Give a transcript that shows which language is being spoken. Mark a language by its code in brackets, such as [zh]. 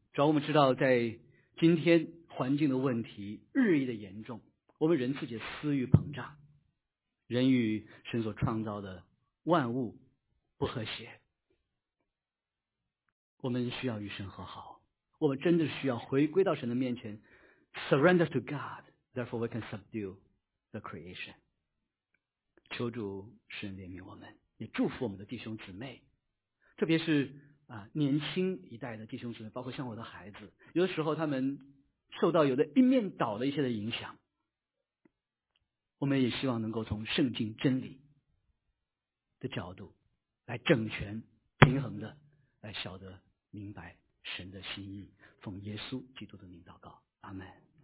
[zh] 主要我们知道在今天环境的问题日益的严重，我们人自己的私欲膨胀，人与神所创造的万物不和谐，我们需要与神和好，我们真的需要回归到神的面前。 [en] Surrender to God, therefore we can subdue the creation. [zh] 求主神怜悯我们，也祝福我们的弟兄姊妹，特别是年轻一代的弟兄姊妹，包括像我的孩子，有的时候他们受到有的一面倒的一些的影响，我们也希望能够从圣经真理的角度来正权平衡的来晓得明白神的心意，奉耶稣基督的名祷告，阿们。